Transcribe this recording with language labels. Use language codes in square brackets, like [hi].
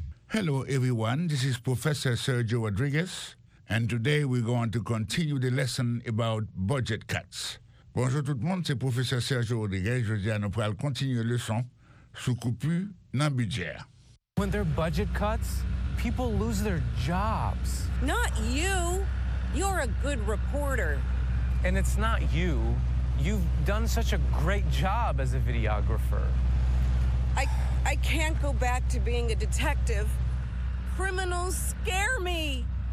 [en] Hello everyone, this is Professor Sergio Rodriguez, and today we're going to continue the lesson about budget cuts. [fr] Bonjour tout le monde, c'est Professeur Sergio Rodriguez. Je viens pour continuer la leçon sur coupure dans budget. [en] When there are budget cuts, people lose their jobs. Not you. You're a good reporter. And it's not you. You've done such a great job as a videographer. I can't go back to being a detective. Criminals scare me.